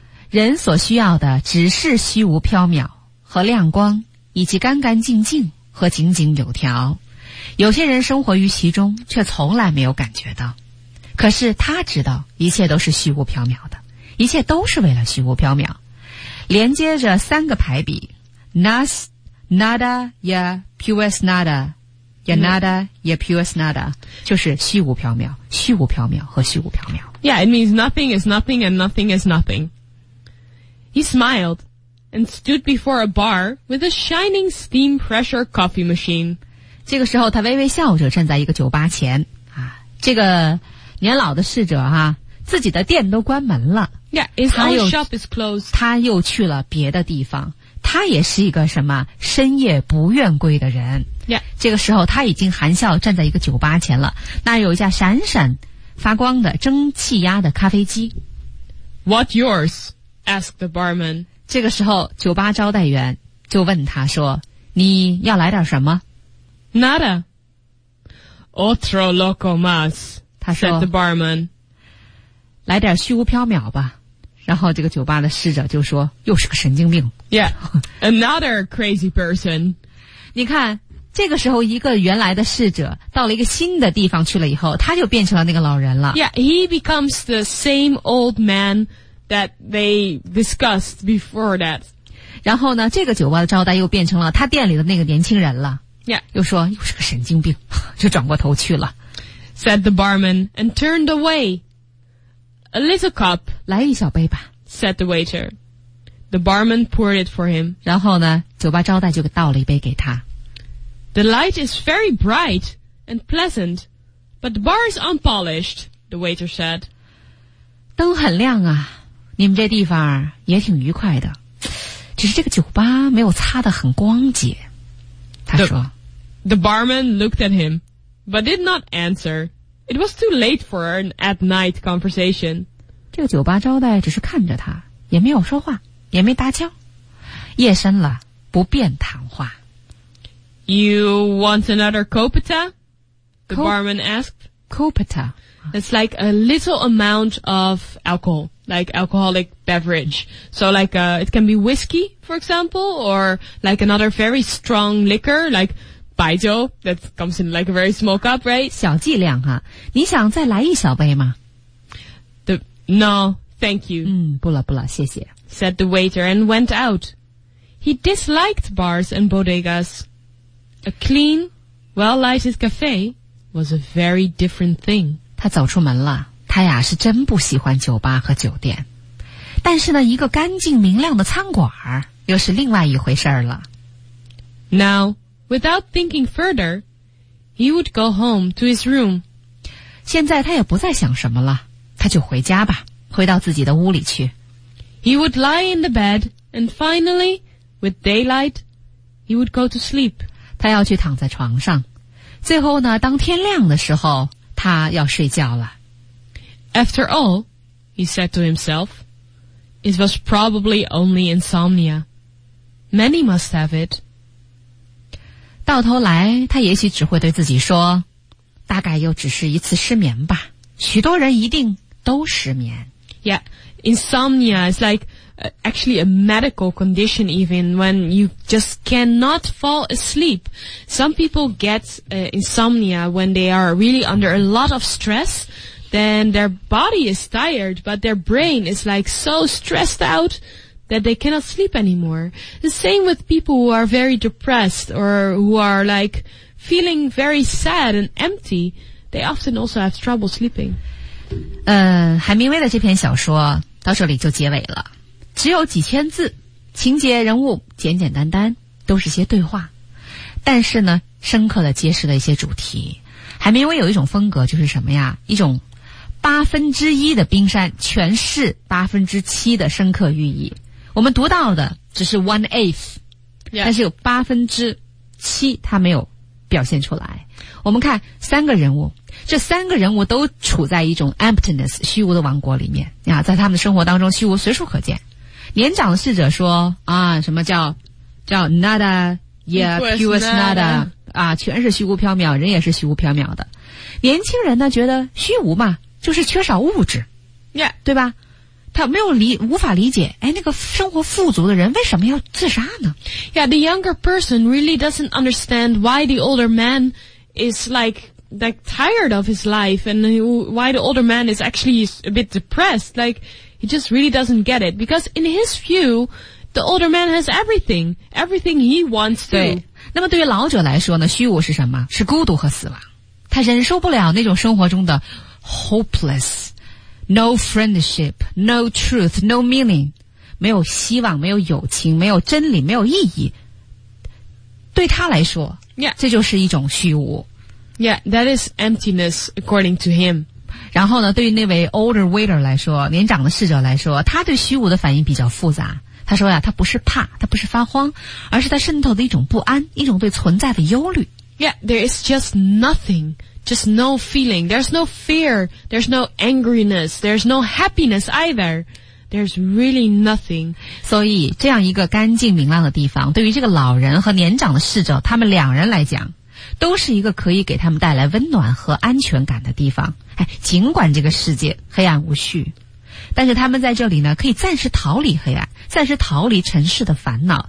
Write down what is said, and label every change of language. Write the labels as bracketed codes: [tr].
[zh] 人所需要的只是虚无缥缈和亮光，以及干干净净和井井有条。有些人生活于其中，却从来没有感觉到。可是他知道，一切都是虚无缥缈的，一切都是为了虚无缥缈。连接着三个排比 [es] ：nas, nada, ya, pues nada。 [zh] 也 nada, 也 [es] pues nada, [zh] 就是虚无缥缈，虚无缥缈和虚无缥缈。 [en] Yeah, it means nothing is nothing and nothing is nothing. He smiled and stood before a bar with a shining steam pressure coffee machine. [zh] 这个时候他微微笑着站在一个酒吧前啊，这个年老的侍者啊，自己的店都关门了。 [en] Yeah, his whole shop is closed. [zh] 他又去了别的地方。他也是一个什么深夜不愿归的人、 [en] yeah. [zh] 这个时候他已经含笑站在一个酒吧前了，那有一架闪闪发光的蒸汽压的咖啡机。 [en] What yours? Asked the barman. [zh] 这个时候酒吧招待员就问他说，你要来点什么？ [es] Nada. Otro loco más, [zh] 他说 [en] said the barman. [zh] 来点虚无缥缈吧。然后这个酒吧的侍者就说，又是个神经病。 [en] Yeah, another crazy person. [zh] 你看，这个时候一个原来的侍者到了一个新的地方去了以后，他就变成了那个老人了。 [en] Yeah, he becomes the same old man that they discussed before that. [zh] 然后呢，这个酒吧的招待又变成了他店里的那个年轻人了。 [en] Yeah. [zh] 又说，又是个神经病，就转过头去了。 [en] Said the barman and turned away. A little cup, [zh] 来一小杯吧 [en] said the waiter. The barman poured it for him. [zh] 然后呢，酒吧招待就倒了一杯给他。 [en] The light is very bright and pleasant, but the bar is unpolished, the waiter said. [zh] 灯很亮啊，你们这地方也挺愉快的，只是这个酒吧没有擦得很光洁，他说。 [en] The barman looked at him, but did not answer. It was too late for an at-night conversation. [zh] 这个酒吧招待只是看着他，也没有说话，也没搭腔。夜深了，不便谈话。 [en] You want another copita? The barman asked. [es] Copita. [en] It's like a little amount of alcohol, like alcoholic beverage. So like, it can be whiskey, for example, or like another very strong liquor, like... 白酒 that comes in like a very small cup, right? [zh] 小剂量哈，你想再来一小杯吗？ [en] No, thank you. [zh] 嗯，不了不了，谢谢。 [en] Said the waiter and went out. He disliked bars and bodegas. A clean, well-lighted cafe was a very different thing. [zh] 他走出门了，他呀是真不喜欢酒吧和酒店。但是呢，一个干净明亮的餐馆又是另外一回事了。 [en] Now, without thinking further, he would go home to his room. [zh] 现在他也不再想什么了，他就回家吧，回到自己的屋里去。 [en] He would lie in the bed, and finally, with daylight, he would go to sleep. [zh] 他要去躺在床上。最后呢，当天亮的时候，他要睡觉了。 [en] After all, he said to himself, it was probably only insomnia. Many must have it. [zh] 到头来，他也许只会对自己说，大概又只是一次失眠吧。许多人一定都失眠。 [en] Yeah, insomnia is like actually a medical condition even when you just cannot fall asleep. Some people get insomnia when they are really under a lot of stress. Then their body is tired, but their brain is like so stressed out. That they cannot sleep anymore. The same with people who are very depressed or who are like feeling very sad and empty. They often also have trouble sleeping. [zh] 海明威的这篇小说到这里就结尾了，只有几千字，情节人物简简单单，都是些对话，但是呢，深刻的揭示了一些主题。海明威有一种风格，就是什么呀？一种八分之一的冰山诠释八分之七的深刻寓意。我们读到的只是 1/8、 [en] yeah. [zh] 但是有八分之七他没有表现出来。我们看三个人物，这三个人物都处在一种 emptiness 虚无的王国里面啊，在他们的生活当中虚无随处可见。年长的逝者说啊，什么叫 nada yeah [en] pure nada [zh] 啊，全是虚无缥缈，人也是虚无缥缈的。年轻人呢觉得虚无嘛就是缺少物质、 [en] yeah. [zh] 对吧，他没有理无法理解，哎，那个生活富足的人为什么要自杀呢？ [en] Yeah, the younger person really doesn't understand why the older man is like tired of his life and why the older man is actually a bit depressed. Like, he just really doesn't get it. Because in his view, the older man has everything. Everything he wants to. [zh] 对，那么对于老者来说呢，虚无是什么？是孤独和死亡。他忍受不了那种生活中的 [en] hopeless,No friendship, no truth, no meaning. [zh] 没有希望，没有友情，没有真理，没有意义。对他来说、 [en] yeah. [zh] 这就是一种虚无。 [en] Yeah, that is emptiness according to him. [zh] 然后呢，对于那位 [en] older waiter [zh] 来说，年长的侍者来说，他对虚无的反应比较复杂。他说呀，他不是怕，他不是发慌，而是他渗透的一种不安，一种对存在的忧虑。 [en] Yeah, there is just nothing. Just no feeling. There's no fear. There's no angriness. There's no happiness either. There's really nothing. [zh] 所以这样一个干净明亮的地方，对于这个老人和年长的逝者，他们两人来讲，都是一个可以给他们带来温暖和安全感的地方。哎，尽管这个世界黑暗无序，但是他们在这里呢，可以暂时逃离黑暗，暂时逃离尘世的烦恼。